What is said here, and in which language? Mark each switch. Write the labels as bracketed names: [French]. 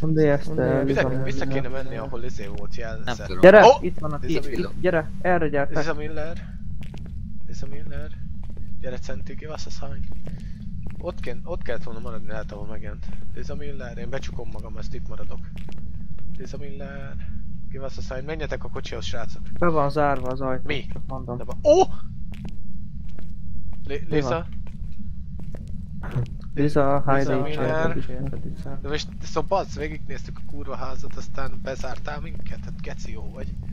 [Hungarian] Honnan érte? Vissza kéne menni, ahol izé volt jelzett. Gyere, itt van a ti. Gyere, erre gyertek. Liza Miller. Gyere, centi, [English] give us a sign. [Hungarian] Ott kellett volna maradni, lehet, ahol megjelent. Liza Miller, én becsukom magam, ezt itt maradok. [English] Liza Miller, give us a sign. [Hungarian] Menjetek a kocsihoz, srácok. Be van zárva az ajtó. Mi? Mondom. De van. Ó! Oh! Liza? Liza, hajde itt sem, Petica. De most, szóval bazz, végignéztük a kurva házat, aztán bezártál minket, hát geci jó vagy.